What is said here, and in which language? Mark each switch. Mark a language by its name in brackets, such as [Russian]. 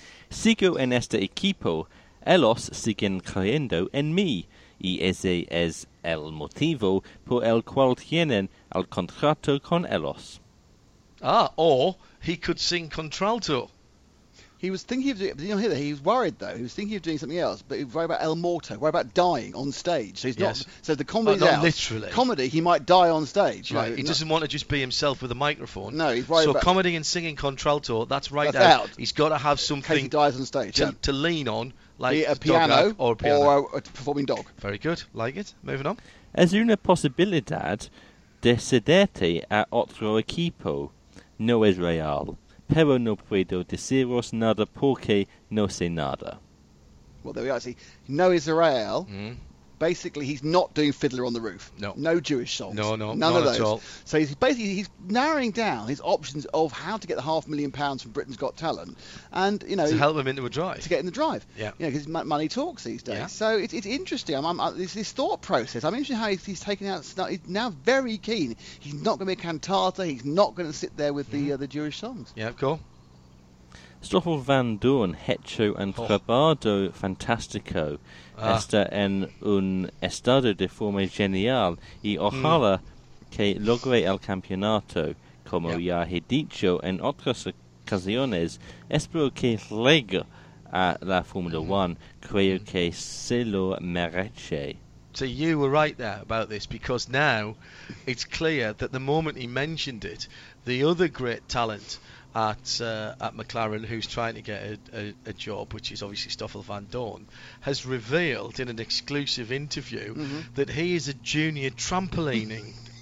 [Spanish] Sigo en este equipo, ellos siguen creyendo en mí, y ese es el motivo por el cual tienen el contrato con ellos. [English] Ah, or he could sing contralto. He was thinking of doing it, but you know, he was worried though. He was thinking of doing something else, but he was worried about El Morto, worried about dying on stage. So he's yes. not. So the comedy's not out. Literally. Comedy, he might die on stage. Right. Right. He doesn't want to just be himself with a microphone. No, he's worried so about. So comedy and singing contralto, that's out. He's got to have something. In case he dies on stage. To lean on, like a piano or a piano. Or a performing dog. Very good. Like it. Moving on. [Spanish] Es una posibilidad de cederte a otro equipo. No es real. Pero no puedo deciros nada porque no sé nada. [English] Well, there we are. See, no Israel. Mm. Basically, he's not doing Fiddler on the Roof. No. No Jewish songs. No, none of those. At all. So he's basically narrowing down his options of how to get the £500,000 from Britain's Got Talent. And, you know. To help him into a drive. To get in the drive. Yeah. Because you know, money talks these days. Yeah. So it's interesting. This thought process. I'm interested in how he's taken out. He's now very keen. He's not going to be a cantata. He's not going to sit there with the Jewish songs. Yeah, cool. [Spanish] Stoffel van Doorn, Hecho and Trabado Fantastico, está en un estado de forma genial y ojalá que logre el campeonato. Como ya he dicho en otras ocasiones, espero que llegue a la Fórmula 1. Creo que se lo merece. [English] So you were right there about this, because now it's clear that the moment he mentioned it, the other great talent at McLaren, who's trying to get a job, which is obviously Stoffel van Doorn, has revealed in an exclusive interview that he is a junior trampolining